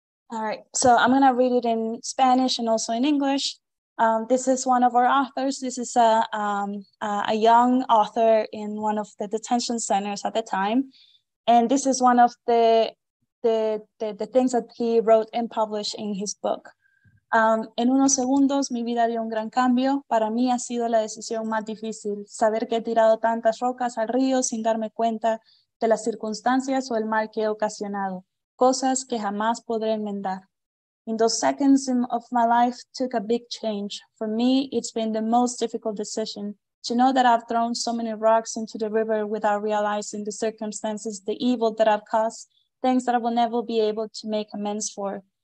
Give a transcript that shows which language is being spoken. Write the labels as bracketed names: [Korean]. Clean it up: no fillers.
[English] All right, so I'm going to read it in Spanish and also in English. This is one of our authors. This is a young author in one of the detention centers at the time. And this is one of the things that he wrote and published in his book. [Spanish] En unos segundos, mi vida dio un gran cambio. Para mí ha sido la decisión más difícil, saber que he tirado tantas rocas al río sin darme cuenta de las circunstancias o el mal que he ocasionado. Cosas que jamás podré enmendar. [English] In those seconds of my life took a big change. For me, it's been the most difficult decision to know that I've thrown so many rocks into the river without realizing the circumstances, the evil that I've caused, things that I will never be able to make amends for.